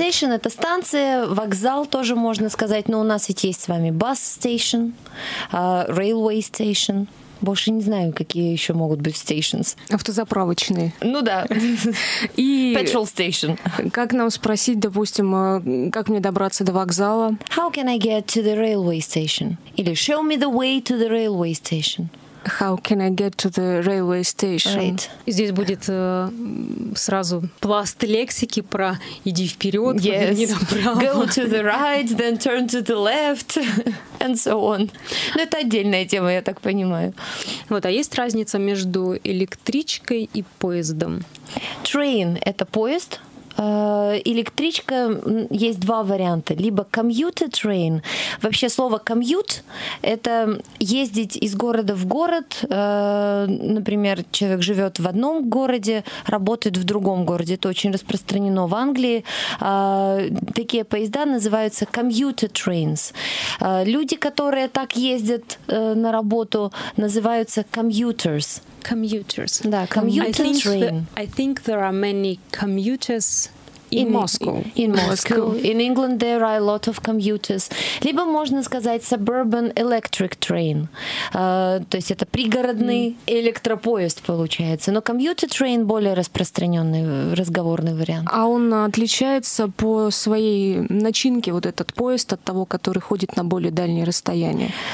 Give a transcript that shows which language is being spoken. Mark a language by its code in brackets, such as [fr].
[ru] Station — это станция, вокзал тоже можно сказать, но у нас ведь есть с вами [en] bus station, railway station. [ru] Больше не знаю, какие еще могут быть stations. Автозаправочные. Ну да. И [en] petrol station. [ru] Как нам спросить, допустим, как мне добраться до вокзала? [en] How can I get to the railway station? [ru] Или [en] show me the way to the railway station. How can I get to the railway station? Right. [ru] Здесь будет сразу пласт лексики про иди вперед, [en] yes. [ru] Поверни направо. [en] Go to the right, then turn to the left, and so on. [ru] Но это отдельная тема, я так понимаю. Вот, а есть разница между электричкой и поездом? Train — это поезд. Электричка, есть два варианта. [en] Либо commuter train. [ru] Вообще слово commute — это ездить из города в город. Например, человек живет в одном городе, работает в другом городе. Это очень распространено в Англии. Такие поезда называются commuter trains. Люди, которые так ездят на работу, называются commuters. [en] Commuters. [ru] Да, [en] commuter train. I think there are many commuters... In Moscow. In Moscow. In England there are a lot of commuters. [ru] Либо можно сказать [en] suburban electric train. [ru] То есть это пригородный электропоезд получается. Но commuter train более распространенный разговорный вариант. А он отличается по своей начинке, вот этот поезд, от того, который ходит на более дальние расстояния?